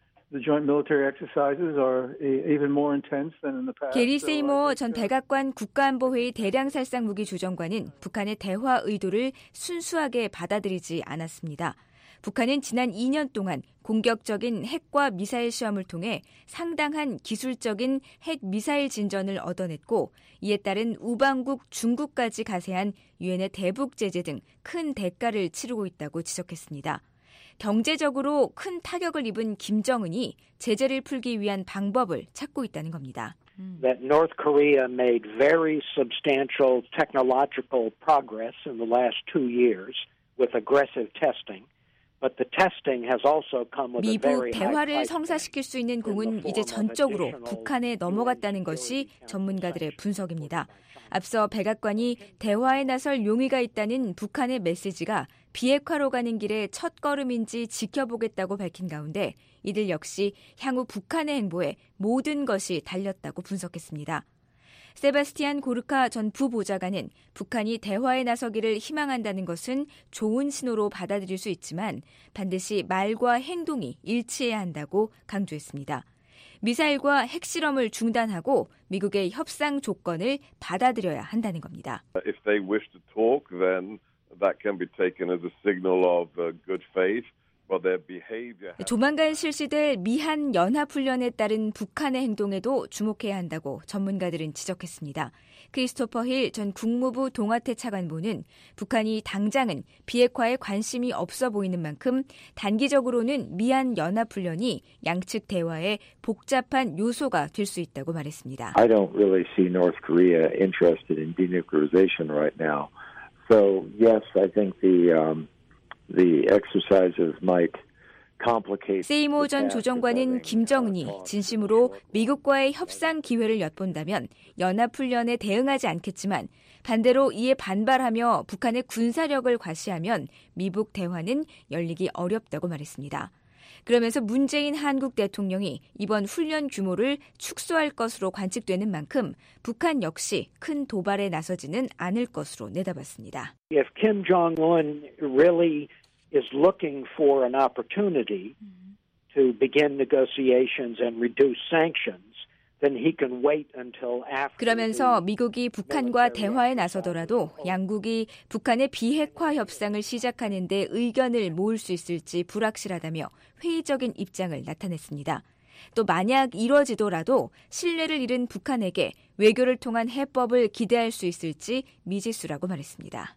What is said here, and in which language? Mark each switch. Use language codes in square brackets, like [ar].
[en] The joint military exercises are even more intense than in the past. [ko] 게리 세이머 전 백악관 국가안보회의 대량살상 무기 조정관은 북한의 대화 의도를 순수하게 받아들이지 않았습니다. 북한은 지난 2년 동안 공격적인 핵과 미사일 시험을 통해 상당한 기술적인 핵미사일 진전을 얻어냈고 이에 따른 우방국 중국까지 가세한 유엔의 대북 제재 등 큰 대가를 치르고 있다고 지적했습니다. 경제적으로 큰 타격을 입은 김정은이 제재를 풀기 위한 방법을 찾고 있다는 겁니다. [en] That North Korea made very substantial technological progress in the last two years with aggressive testing. But the testing has also come with a very high price. [ko] 미국 대화를 성사시킬 수 있는 공은 이제 전적으로 북한에 넘어갔다는 것이 전문가들의 분석입니다. 앞서 백악관이 대화에 나설 용의가 있다는 북한의 메시지가 비핵화로 가는 길의 첫 걸음인지 지켜보겠다고 밝힌 가운데 이들 역시 향후 북한의 행보에 모든 것이 달렸다고 분석했습니다. 세바스티안 고르카 전 부보좌관은 북한이 대화에 나서기를 희망한다는 것은 좋은 신호로 받아들일 수 있지만 반드시 말과 행동이 일치해야 한다고 강조했습니다. 미사일과 핵실험을 중단하고 미국의 협상 조건을 받아들여야 한다는 겁니다. [en] If they wish to talk, then that can be taken as a signal of good faith. [ko] 조만간 실시될 미한 연합훈련에 따른 북한의 행동에도 주목해야 한다고 전문가들은 지적했습니다. 크리스토퍼 힐 전 국무부 동아태 차관보는 북한이 당장은 비핵화에 관심이 없어 보이는 만큼 단기적으로는 미한 연합훈련이 양측 대화에 복잡한 요소가 될 수 있다고 말했습니다. [en] I don't really see North Korea interested in denuclearization right now. So yes, I think the exercises might complicate. [ko] 세이모 전 조정관은 김정은이 진심으로 미국과의 협상 기회를 엿본다면 연합훈련에 대응하지 않겠지만 반대로 이에 반발하며 북한의 군사력을 과시하면 미북 대화는 열리기 어렵다고 말했습니다. 그러면서 문재인 한국 대통령이 이번 훈련 규모를 축소할 것으로 관측되는 만큼 북한 역시 큰 도발에 나서지는 않을 것으로 내다봤습니다. [en] If Kim Jong-un really is looking for an opportunity to begin negotiations and reduce sanctions, then he can wait until after. [ko] 그러면서 미국이 북한과 대화에 나서더라도 양국이 북한의 비핵화 협상을 시작하는 데 의견을 모을 수 있을지 불확실하다며 회의적인 입장을 나타냈습니다. 또 만약 이루어지더라도 신뢰를 잃은 북한에게 외교를 통한 해법을 기대할 수 있을지 미지수라고 말했습니다.